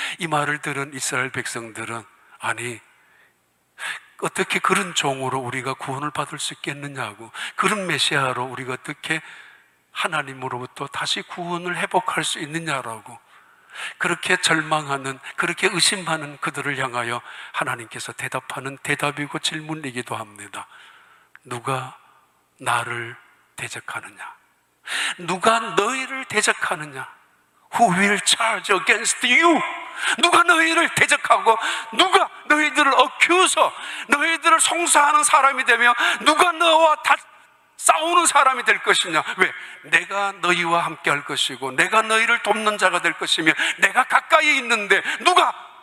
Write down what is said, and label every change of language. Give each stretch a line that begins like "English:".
Korean: 이 말을 들은 이스라엘 백성들은 아니 어떻게 그런 종으로 우리가 구원을 받을 수 있겠느냐고 그런 메시아로 우리가 어떻게 하나님으로부터 다시 구원을 회복할 수 있느냐라고 그렇게 절망하는 그렇게 의심하는 그들을 향하여 하나님께서 대답하는 대답이고 질문이기도 합니다. 누가 나를 대적하느냐? 누가 너희를 대적하느냐?
English: Who will charge against you?
Korean: 누가 너희를 대적하고 누가 너희들을 어큐서 너희들을 송사하는 사람이 되며 누가 너와 다 싸우는 사람이 될 것이냐? 왜? 내가 너희와 함께 할 것이고 내가 너희를 돕는 자가 될 것이며 내가 가까이 있는데 누가?